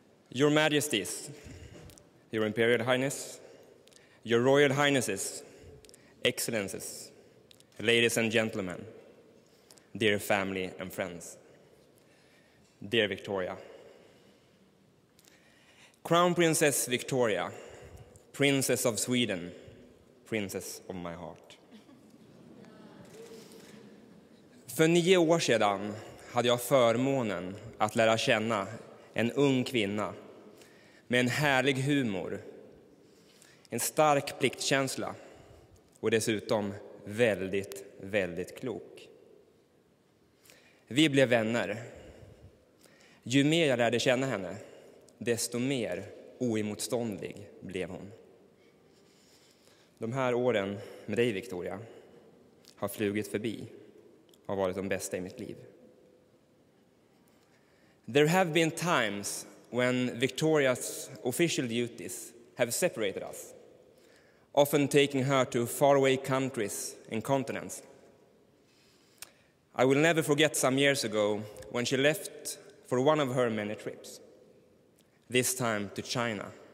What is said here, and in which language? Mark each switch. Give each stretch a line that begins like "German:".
English: Your Majesties, Your Imperial Highness, Your Royal Highnesses, Excellences, Ladies and Gentlemen, dear family and friends, dear Victoria, Crown Princess Victoria, Princess of Sweden, Princess of my heart.
Swedish: För 9 år sedan hade jag förmånen att lära känna en ung kvinna med en härlig humor, en stark pliktkänsla och dessutom väldigt, väldigt klok. Vi blev vänner. Ju mer jag lärde känna henne, desto mer oemotståndlig blev hon. De här åren med dig, Victoria, har flugit förbi och har varit de bästa i mitt liv.
English: There have been times when Victoria's official duties have separated us, often taking her to faraway countries and continents. I will never forget some years ago when she left for one of her many trips, this time to China.